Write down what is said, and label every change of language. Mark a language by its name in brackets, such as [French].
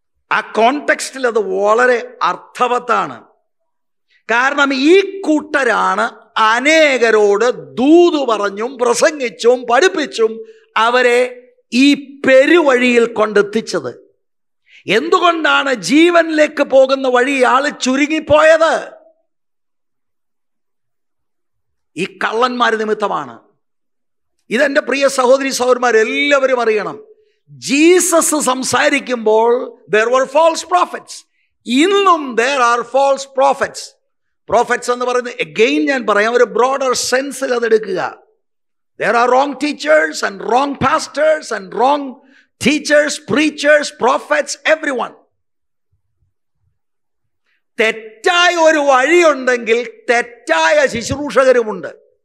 [Malayalam] ആ കോണ്ടെക്സ്റ്റിൽ അത് വളരെ അർത്ഥവത്താണ്. കാരണം ഈ കൂട്ടരാണ് അനേകരോട് ദൂത് പറഞ്ഞും പ്രസംഗിച്ചും പഠിപ്പിച്ചും അവരെ ഈ പെരുവഴിയിൽ കൊണ്ടെത്തിച്ചത്. എന്തുകൊണ്ടാണ് ജീവനിലേക്ക് പോകുന്ന വഴി ആൾ ചുരുങ്ങിപ്പോയത്? ഈ കള്ളന്മാര് നിമിത്തമാണ്. ഇതെന്റെ പ്രിയ സഹോദരി സഹോദരന്മാരെല്ലാവരും അറിയണം. [English] Jesus [Malayalam] സംസാരിക്കുമ്പോൾ [English] there were false prophets. [Malayalam] ഇന്നും [English] there are false prophets. [Malayalam] Prophets എന്ന് പറയുന്നത് അഗെയിൻ ഞാൻ പറയാം, ഒരു broader സെൻസിൽ അതെടുക്കുക. [English] There are wrong teachers and wrong pastors and wrong teachers preachers prophets every one. [Malayalam] തെറ്റായ ഒരു വഴിയുണ്ടെങ്കിൽ തെറ്റായ ശുശ്രൂഷകരുമുണ്ട്.